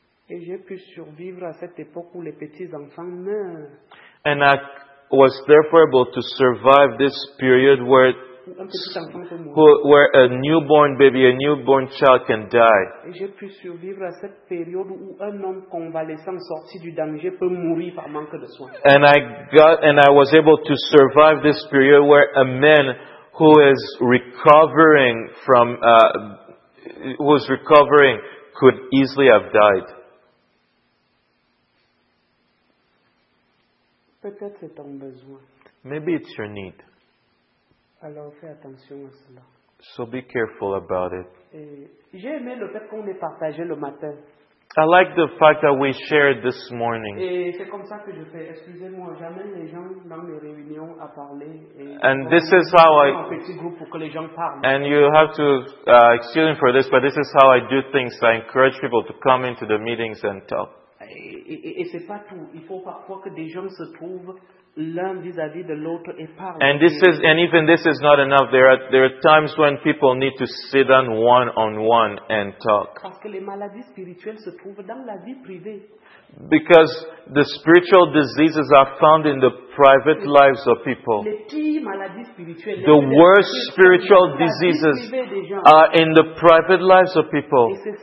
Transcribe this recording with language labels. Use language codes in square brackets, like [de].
[fr] Et j'ai pu survivre à cette époque où les petits enfants meurent. [en] And I was therefore able to survive this period where a newborn baby, a newborn child can die. [fr] Et j'ai pu survivre à cette période où un homme convalescent sorti du danger peut mourir par manque de soins. [en] And I was able to survive this period where a man who is recovering from could easily have died. [fr] Peut-être c'est ton besoin. [en] Maybe it's your need. [fr] Alors fais attention à cela. [en] So be careful about it. [fr] Et j'ai aimé le fait qu'on ait partagé le matin. [en] I like the fact that we shared this morning. [fr] Et c'est comme ça que je fais. Excusez-moi, j'amène les gens dans mes réunions à parler. [en] And this is how I. [fr] En petit groupe pour que les gens parlent. [en] And you have to excuse me for this, but this is how I do things. I encourage people to come into the meetings and talk. [fr] Et c'est pas tout. Il faut parfois que des gens se trouvent l'un vis-à-vis de l'autre et parlent. [en] And this is, and even this is not enough. There are times when people need to sit down one on one and talk. Parce que les maladies spirituelles se trouvent dans la vie privée. Because the spiritual diseases are found in the private lives of people. The worst spiritual diseases are in the private lives of people.